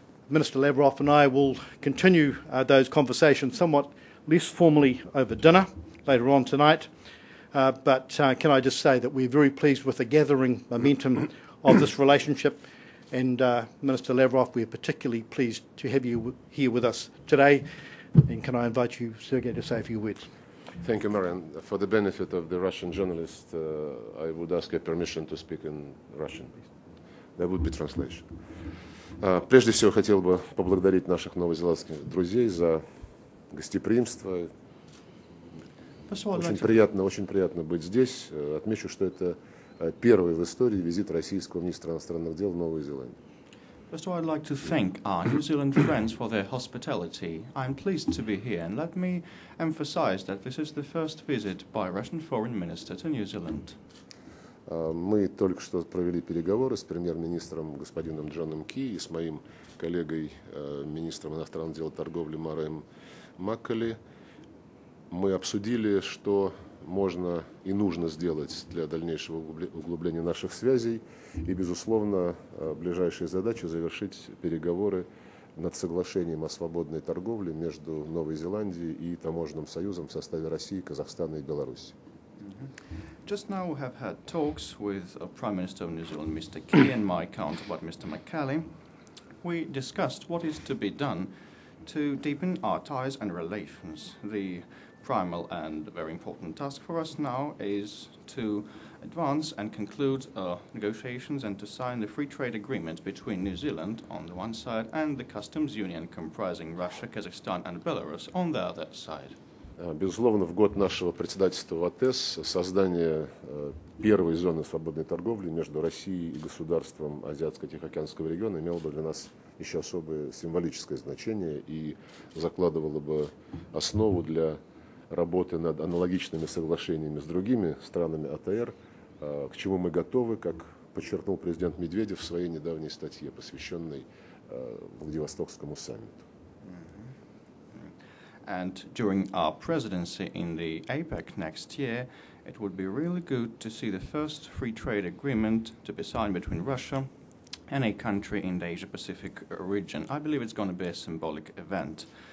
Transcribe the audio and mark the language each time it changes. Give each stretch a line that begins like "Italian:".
English: Minister Lavrov and I will continue those conversations somewhat less formally over dinner later on tonight, but can I just say that we're very pleased with the gathering momentum of this relationship, and Minister Lavrov, we're particularly pleased to have you here with us today, and can I invite you, Sergei, to say a few words. Thank you, Marian. For the benefit of the Russian journalist, I would ask your permission to speak in Russian. That would be translation.
Russian: Прежде всего, хотел бы поблагодарить наших новозеландских друзей за гостеприимство. Очень приятно быть здесь. Отмечу, что это первый в истории визит российского министра иностранных дел в Новую Зеландию.
English: First of all, I'd like to thank our New Zealand friends for their hospitality. I'm pleased to be here, and let me emphasize that this is the first visit by Russian Foreign Minister to New Zealand.
Russian: Мы только что провели переговоры с премьер-министром господином Джоном Ки и с моим коллегой, министром иностранных дел и торговли Мареем Маккали. Мы обсудили, что можно и нужно сделать для дальнейшего углубления наших связей. И, безусловно, ближайшая задача – завершить переговоры над соглашением о свободной торговле между Новой Зеландией и таможенным союзом в составе России, Казахстана и Беларуси.
English: Just now we have had talks with Prime Minister of New Zealand, Mr. Key, and my counterpart, Mr. Maccallum. We discussed what is to be done to deepen our ties and relations. The primal and very important task for us now is to advance and conclude negotiations and to sign the free trade agreement between New Zealand on the one side and the customs union comprising Russia, Kazakhstan and Belarus on the other side.
Russian: Безусловно, в год нашего председательства в АТЭС создание первой зоны свободной торговли между Россией и государством Азиатско-Тихоокеанского региона имело бы для нас еще особое символическое значение и закладывало бы основу для работы над аналогичными соглашениями с другими странами АТР, к чему мы готовы, как подчеркнул президент Медведев в своей недавней статье, посвященной Владивостокскому саммиту.
English: And during our presidency in the APEC next year, it would be really good to see the first free trade agreement to be signed between Russia and a country in the Asia-Pacific region. I believe it's going to be a symbolic event.